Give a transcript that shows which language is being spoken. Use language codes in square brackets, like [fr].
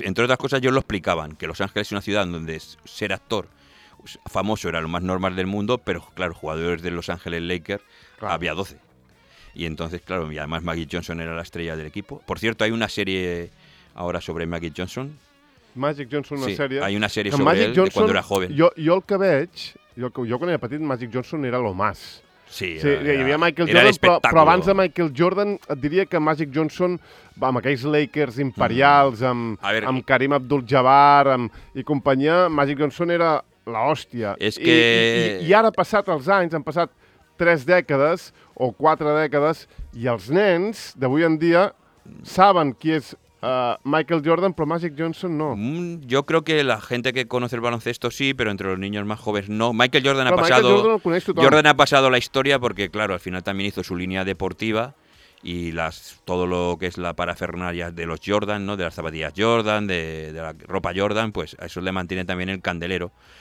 [es] Entre otras cosas, ellos lo explicaban, que Los Ángeles es una ciudad donde ser actor famoso era lo más normal del mundo, pero claro, jugadores de Los Ángeles Lakers, claro. Había 12. Y entonces, claro, y además Magic Johnson era la estrella del equipo. Por cierto, hay una serie ahora sobre Magic Johnson. Magic Johnson, sí, una serie. Hay una serie sobre él de cuando era joven. Yo [ca] el que veig, [es] yo cuando era petit, Magic Johnson era lo más... [ca] Sí, hi havia Michael Jordan, però abans de Michael Jordan et diria que Magic Johnson va amb aquells Lakers imperials, amb Kareem Abdul-Jabbar i companyia, Magic Johnson era l'hòstia. I ara, han passat 3 dècades o 4 dècades, i els nens d'avui en dia saben qui és Michael Jordan, pero Magic Johnson no. [es] Yo creo que la gente que conoce el baloncesto sí, pero entre los niños más jóvenes no. Michael Jordan pero ha pasado. Jordan ha pasado la historia porque, claro, al final también hizo su línea deportiva y todo lo que es la parafernalia de los Jordan, ¿no? De las zapatillas Jordan, de la ropa Jordan, pues a eso le mantiene también el candelero.